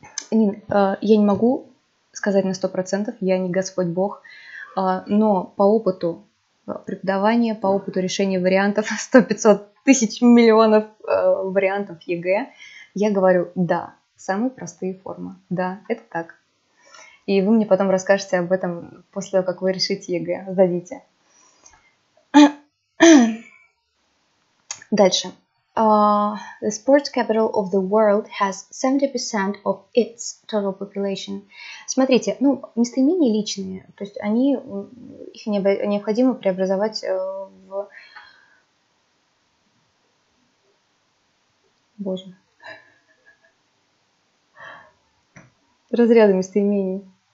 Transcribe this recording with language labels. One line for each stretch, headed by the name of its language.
Russian: Я не могу сказать на 100%, я не Господь Бог, но по опыту преподавания, по опыту решения вариантов, 100-500 тысяч миллионов вариантов ЕГЭ, я говорю «да». Самые простые формы. Да, это так. И вы мне потом расскажете об этом после того, как вы решите ЕГЭ, сдадите. Дальше.
English: The sports capital of the world has 70% of its total population.
Russian: Смотрите, ну, местоимения личные, то есть они, их необходимо преобразовать в... Боже. Разряды местоимений.